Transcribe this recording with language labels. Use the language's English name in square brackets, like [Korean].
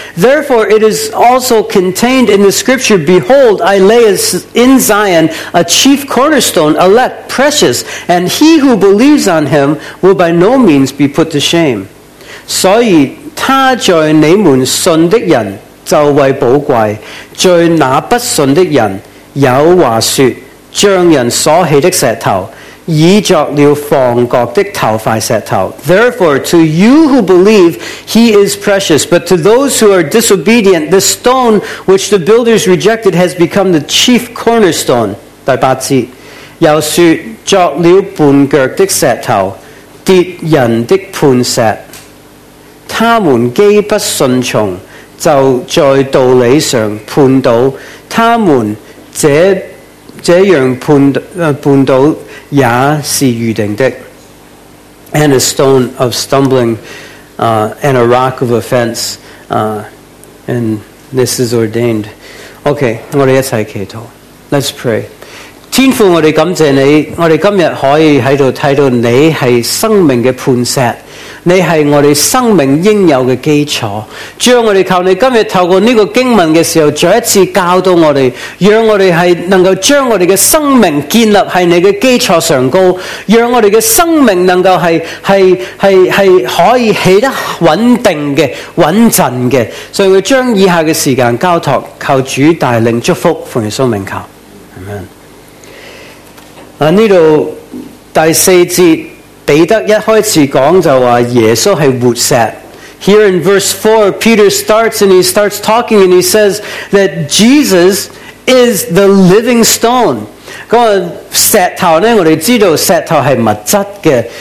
[English] Therefore, it is also contained in the scripture, Behold, I lay in Zion a chief cornerstone, elect, precious, and he who believes on him will by no means be put to shame. [Chinese] 所以他在你们信的人就为宝贵，在那不信的人有话说，将人所弃的石头已作了房角的头块石头。 [English] Therefore, to you who believe, he is precious, but to those who are disobedient, the stone which the builders rejected has become the chief cornerstone. [Chinese] 第八节，又说作了半角的石头，跌人的磐石。他们既不顺从，就在道理上判倒他们这样绊倒也是预定的。 [English] And a stone of stumbling, and a rock of offense, and this is ordained. Okay, [Chinese] 我们一起祈祷。 [English] Let's pray. [Chinese] 天父，我们感谢你，我们今天可以在这里看到你是生命的磐石，你是我们生命应有的基础。主要我们求你今天透过这个经文的时候再一次教导我们，让我们是能够将我们的生命建立在你的基础上高，让我们的生命能够 是可以起得稳定的稳阵的。所以我将以下的时间交托求主带领祝福，奉耶稣名求，阿们。这里第四节彼得一开始讲就话耶稣是活石。 [English] Here in verse 4, Peter starts and he starts talking and he says that Jesus is the living stone. [Chinese] 石头呢，我们知道石头是物质的。